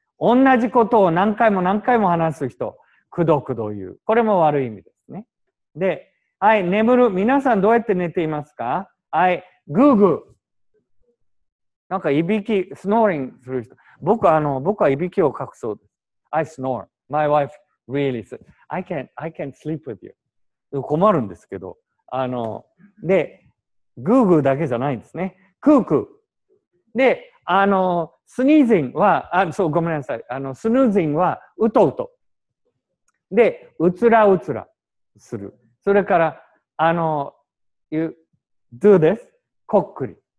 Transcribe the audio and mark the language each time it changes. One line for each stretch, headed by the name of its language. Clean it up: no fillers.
Japanese: 同じことを何回も何回も話す人。くどくど言う。これも悪い意味です。で、はい、眠る。皆さんどうやって寝ていますか？はい、グーグー。なんかいびき、スノーリングする人。僕はいびきをかくそうです。
English: I snore. My wife really says, I can't sleep with you.
Japanese: 困るんですけど。で、グーグーだけじゃないんですね。クークー。で、スニーズンは、そう、ごめんなさい。スヌーズンは、うとうと。で、うつらうつらする。それから、
English: you do this,
Japanese: こっくり。